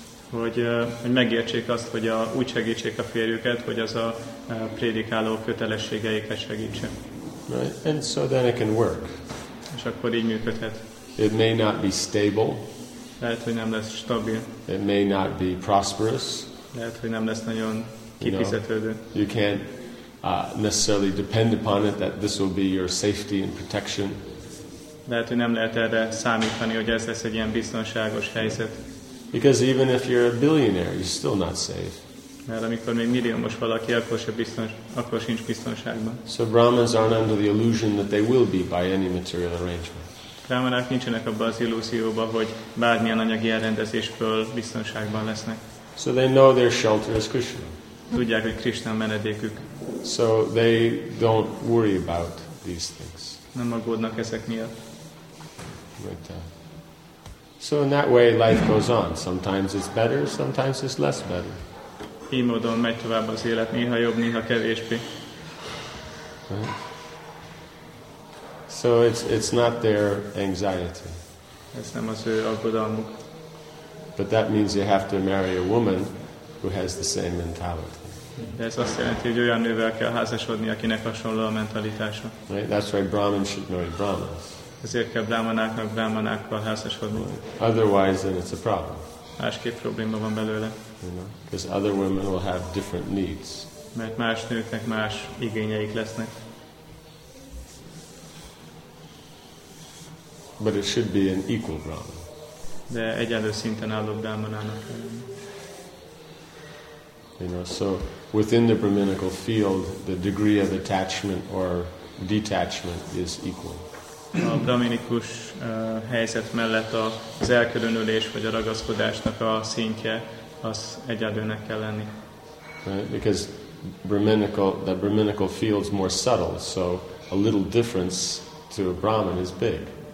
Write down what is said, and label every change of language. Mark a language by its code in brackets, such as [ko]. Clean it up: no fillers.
[hu] Hogy megértsék azt, hogy úgy segítsék a férjüket, hogy az a prédikáló kötelességeiket segítse. [en] Right, and so then it can work. [hu] És akkor így működhet. [en] It may not be stable. [hu] Lehet, hogy nem lesz stabil. [en] It may not be prosperous. [hu] Lehet, hogy nem lesz nagyon kifizetődő. [en] You can't necessarily depend upon it that this will be your safety and protection. [hu] Lehet, hogy nem lehet erre számítani, hogy ez lesz egy ilyen biztonságos helyzet. [en] Because even if you're a billionaire, you're still not safe. [hu] Mert amikor még milliómos valaki, akkor sincs biztonságban. [en] So Brahmins aren't under the illusion that they will be by any material arrangement. [hu] Brahmanák nincsenek abban az illúzióban, hogy bármilyen anyagi elrendezésből biztonságban lesznek. [en] So they know their shelter is Krishna. [hu] Tudják, hogy Krishna menedékük. [en] So they don't worry about these things. [hu] Nem aggódnak ezek miatt. [en] Right. So in that way life goes on. Sometimes it's better, sometimes it's less better. [hu] Így módon megy tovább az élet, néha jobb, néha kevésbé. [en] So it's not their anxiety. [hu] Ez nem az ő aggodalmuk. [en] But that means you have to marry a woman who has the same mentality. [hu] De ez azt jelenti, hogy olyan nővel kell házasodni, akinek hasonló a mentalitása. [en] Right? That's why Brahmin should marry Brahmins. [hu] Ezért kell brámanáknak brámanákkal házasodni. [en] Otherwise, then it's a problem. [hu] Másképp probléma van belőle. [en] You know? Because other women will have different needs. [hu] Mert más nőknek más igényeik lesznek. [en] But it should be an equal Brahmin. [hu] De egyenlő szinten álló brámanának. [en] You know, so within the brahminical field, the degree of attachment or detachment is equal. [hu] A brahminikus helyzet mellett az elkülönülés vagy a ragaszkodásnak a szintje az egyenlőnek kell lenni. [en] Right? Because the brahminical field is more subtle, so a little difference to a brahmin is big.